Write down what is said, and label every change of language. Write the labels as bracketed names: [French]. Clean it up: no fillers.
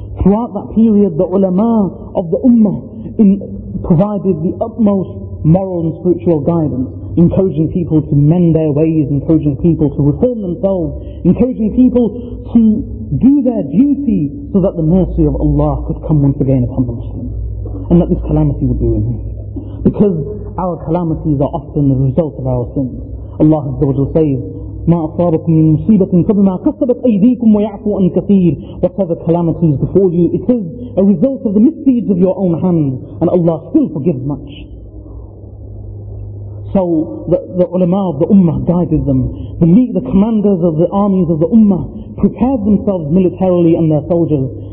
[English] Throughout that period, the ulama of the ummah provided the utmost moral and spiritual guidance, encouraging people to mend their ways, encouraging people to reform themselves, encouraging people to do their duty so that the mercy of Allah could come once again upon the Muslims and that this calamity would be removed. Because our calamities are often the result of our sins. Allah Azza wa Jalla says, [Arabic] مَا أَصَابَكُمْ مِنْ مُصِيبَةٍ فَبِمَا كَسَبَتْ أَيْدِيكُمْ وَيَعْفُوا أَنْ كَثِيرٍ. [English] Whatever calamities before you, it is a result of the misdeeds of your own hand, and Allah still forgives much. So the ulama of the ummah guided them. The commanders of the armies of the ummah prepared themselves militarily and their soldiers.